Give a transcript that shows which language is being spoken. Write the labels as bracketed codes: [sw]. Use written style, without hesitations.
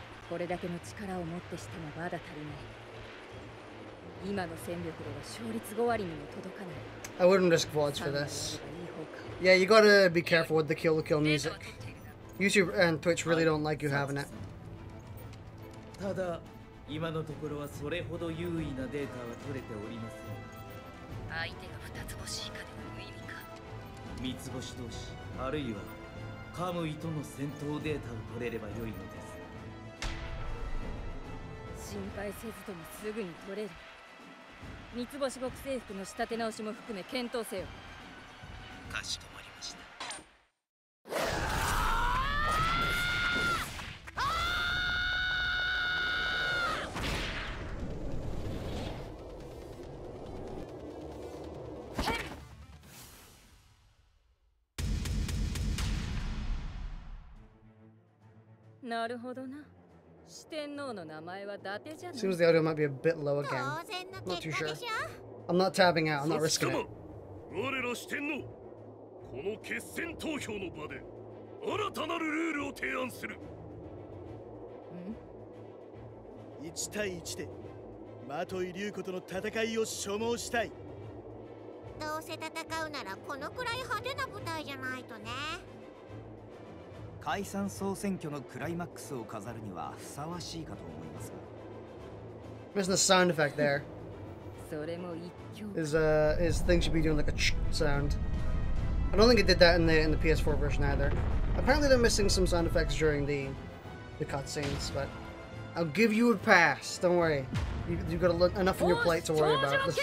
[ja] これだけの力を持ってしてもまだ足りない。今の戦力では勝率5割にも届かない。 [en] I wouldn't risk watch for this. Yeah, you gotta be careful with the kill the kill music. YouTube and Twitch really don't like you having it. [ja] ただ、今のところはそれほど優位なデータは取れておりません。相手が二つ星以下で無意味か。三つ星同士、あるいはカムイとの戦闘データを取れればよいのです。心配せずともすぐに取れる。三つ星極制服の仕立て直しも含め検討せよ。かしこ。なるほどな。四天王の名前は伊達じゃない。 [en] Seems the audio might be a bit low again. Not too sure. I'm not tabbing out. I'm not risking it. [ja] 我ら四天王、この決戦投票の場で新たなるルールを提案する。 1対1で、マトイ・リュウコとの戦いを所望したい。どうせ戦うならこのくらい派手な舞台じゃないとね。解散総選挙のクライマックスを飾るにはふさわしいかと思います。 [en] Missing the sound effect there. [ja] それも一挙。 [en] Is things should be doing like a ch sound. I don't think it did that in the PS4 version either. Apparently they're missing some sound effects during the cutscenes, but I'll give you a pass. Don't worry. You've got enough on your plate to worry about.